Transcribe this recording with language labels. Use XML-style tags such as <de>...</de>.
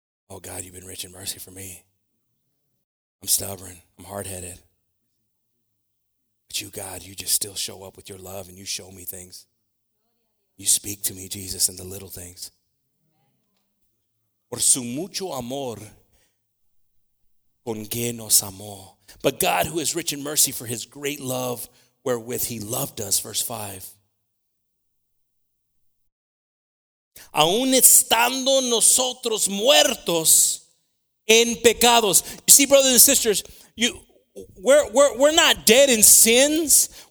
<en>Oh God, you've been rich in mercy for me. I'm stubborn. I'm hard-headed. But you, God, you just still show up with your love and you show me things. You speak to me, Jesus, in the little things.</en> <es>Por su mucho amor, con que nos amó.</es> <en>But God, who is rich in mercy for his great love, wherewith he loved us, verse 5.</en> <es>Aún estando nosotros muertos en pecados.</es> <en>You see, brothers and sisters, we're not dead in sins.</en>